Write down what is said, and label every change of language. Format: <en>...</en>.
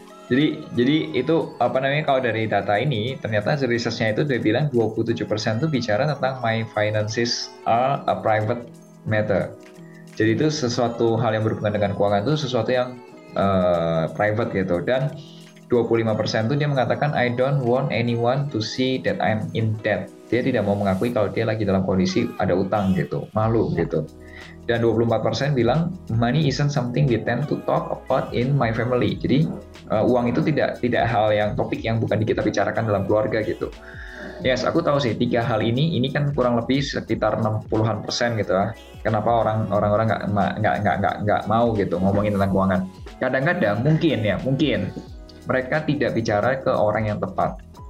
<id>Jadi itu apa namanya, kalau dari data ini ternyata research-nya itu dia bilang 27% itu bicara tentang</id> <en>my finances are a private matter.</en> <id>Jadi itu sesuatu hal yang berhubungan dengan keuangan itu sesuatu yang private gitu. Dan 25% itu dia mengatakan</id> <en>I don't want anyone to see that I'm in debt.</en> <id>Dia tidak mau mengakui kalau dia lagi dalam kondisi ada utang gitu, malu gitu. Dan 24% bilang</id> <en>money isn't something we tend to talk about in my family.</en> <id>Jadi uang itu tidak hal yang topik yang bukan kita bicarakan dalam keluarga gitu. Yes, aku tahu sih tiga hal ini kan kurang lebih sekitar 60%-an gitu lah. Kenapa orang-orang nggak mau gitu ngomongin tentang keuangan? Kadang-kadang mungkin mereka tidak bicara ke orang yang tepat.</id>